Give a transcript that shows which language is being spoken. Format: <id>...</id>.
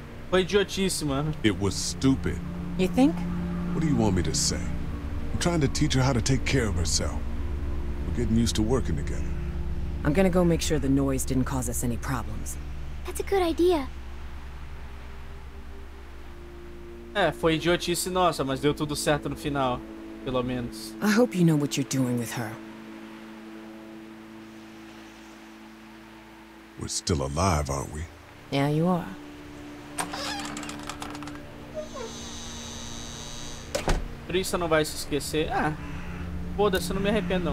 <pt>Foi idiotice, mano.</pt> <en>It was stupid. You think? What do you want me to say? I'm trying to teach her how to take care of herself. We're getting used to working together. I'm gonna go make sure the noise didn't cause us any problems. That's a good idea.</en> <pt>É, foi idiotice nossa, mas deu tudo certo no final, pelo menos.</pt> <en>I hope you know what you're doing with her. We're still alive, aren't we? Yeah, you are.</en> <pt>Por isso não vai se esquecer. Ah, foda-se, não me arrependo.</pt>